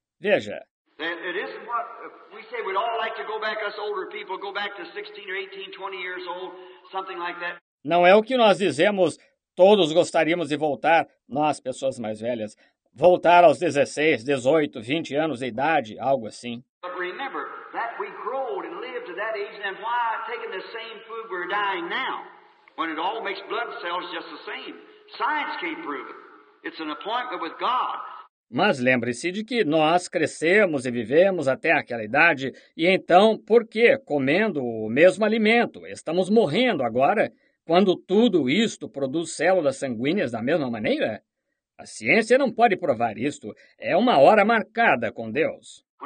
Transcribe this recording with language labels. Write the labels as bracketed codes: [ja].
[pt] Veja. [en] It isn't what we say we'd all like to go back, us older people, go back to 16 or 18, 20 years old, something like that. [pt] Não é o que nós dizemos, todos gostaríamos de voltar, nós, pessoas mais velhas, voltar aos 16, 18, 20 anos de idade, algo assim. [en] But remember that we grow and live to that age, and why taking the same food we're dying now, when it all makes blood cells just the same? Science can't prove it. It's an appointment with God. [pt] Mas lembre-se de que nós crescemos e vivemos até aquela idade, e então, por que comendo o mesmo alimento? Estamos morrendo agora, quando tudo isto produz células sanguíneas da mesma maneira? A ciência não pode provar isto. É uma hora marcada com Deus.